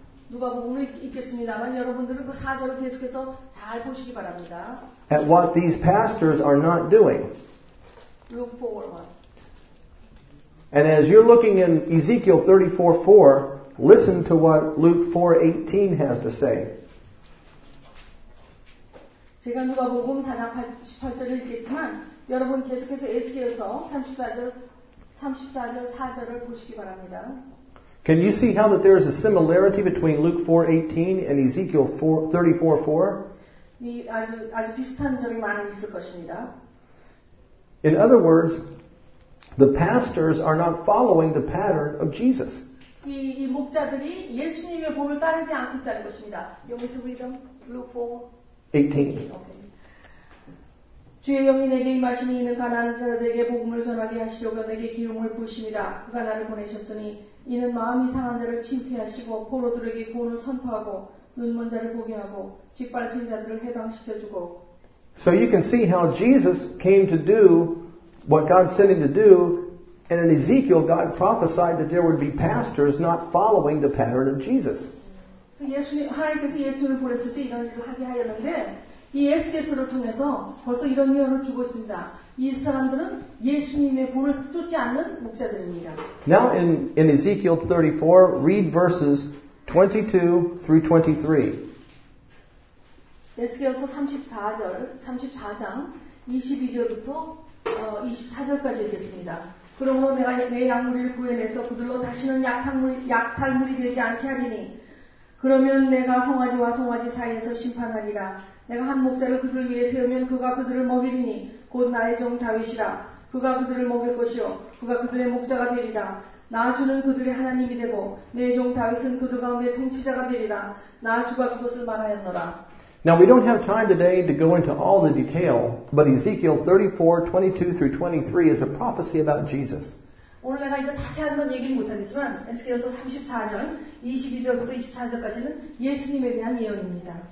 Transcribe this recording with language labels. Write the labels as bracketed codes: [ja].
[ko] 누가 보면 읽겠습니다만 여러분들은 그 4절을 계속해서 잘 보시기 바랍니다. [en] At what these pastors are not doing. Luke 4, and as you're looking in Ezekiel 34:4, listen to what Luke 4:18 has to say. [ko] 제가 누가 보면 4장 18절을 읽겠지만 여러분 계속해서 에스겔서 34절 4절을 보시기 바랍니다. [en] Can you see how that there is a similarity between Luke 4:18 and Ezekiel 34:4? [ko] 아주 비슷한 점이 많이 있을 것입니다. [en] In other words, the pastors are not following the pattern of Jesus. [ko] 이 목자들이 예수님의 법을 따르지 않고 있다는 것입니다. [en] You want me to read them? Luke 4:18. [ko] 주의 영이 내게 임하시니 이는 가난한 자들에게 복음을 전하게 하시려고 내게 기름을 부으십니다. 그가 나를 보내셨으니 이는 마음이 상한 자를 침케 하시고 포로들에게 구원을 선포하고 눈먼 자를 보게 하고 짓밟힌 자들을 해방시켜 주고. [en] So you can see how Jesus came to do what God sent him to do, and in Ezekiel God prophesied that there would be pastors not following the pattern of Jesus. [ko] 예수님 하나님께서 예수님을 보냈을 때 이런 일을 하게 하였는데 이 에스겔서를 통해서 벌써 이런 예언을 주고 있습니다. 이 사람들은 예수님의 본을 쫓지 않는 목자들입니다. [en] Now in Ezekiel 34, read verses 22 through 23. [ko] 에스겔서 34장 22절부터 24절까지 읽겠습니다. 그러므로 내가 내 약물을 구해내서 그들로 다시는 약탈물이 되지 않게 하리니 그러면 내가 송아지와 송아지 사이에서 심판하리라. 내가 한 목자를 그들 위에 세우면 그가 그들을 먹이리니 곧 나의 종 다윗이라. 그가 그들을 먹일 것이요 그가 그들의 목자가 되리라. 나주는 그들의 하나님이 되고 내 종 다윗은 그들 가운데 통치자가 되리라. 나주가 그것을 말하였노라. [en] Now we don't have time today to go into all the detail, but Ezekiel 34:22-23 is a prophecy about Jesus. [ko] 오늘 내가 이거 자세한 건 얘기 못하겠지만 에스겔서 34절 22절부터 24절까지는 예수님에 대한 예언입니다.